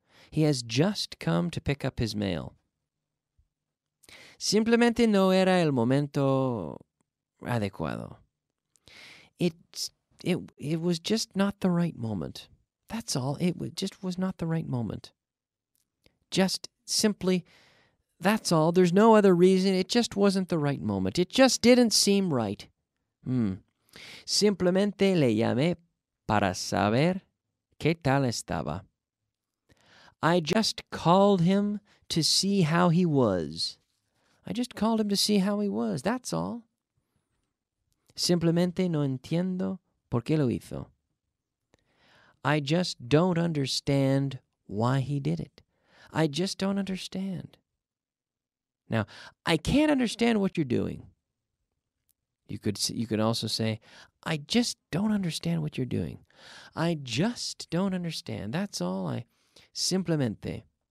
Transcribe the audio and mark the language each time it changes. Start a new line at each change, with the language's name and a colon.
English: He has just come to pick up his mail.
Spanish: Simplemente no era el momento adecuado.
English: It was just not the right moment. That's all. It just was not the right moment. Just simply, that's all. There's no other reason. It just wasn't the right moment. It just didn't seem right.
Spanish: Simplemente le llamé para saber qué tal estaba.
English: I just called him to see how he was. I just called him to see how he was. That's all.
Spanish: Simplemente no entiendo por qué lo hizo.
English: I just don't understand why he did it. I just don't understand. Now, I can't understand what you're doing. You could also say, I just don't understand what you're doing. I just don't understand. That's all. Simplemente.